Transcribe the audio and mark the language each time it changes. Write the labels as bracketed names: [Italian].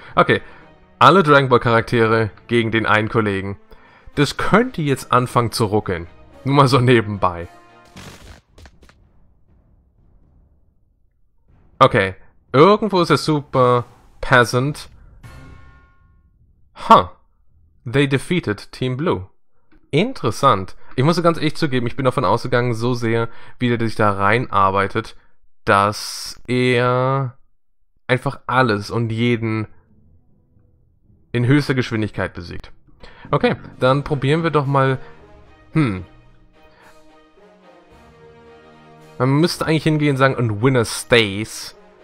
[German] Okay, alle Dragon Ball Charaktere gegen den einen Kollegen. Das könnte jetzt anfangen zu ruckeln. Nur mal so nebenbei. Okay, irgendwo ist der Super Peasant. Huh. [English] They defeated Team Blue. [German] Interessant. Ich muss ganz ehrlich zugeben, ich bin davon ausgegangen, so sehr, wie der sich da reinarbeitet, dass er einfach alles und jeden in höchster Geschwindigkeit besiegt. Okay, dann probieren wir doch mal. Man müsste eigentlich hingehen und sagen, und [English] Winner stays.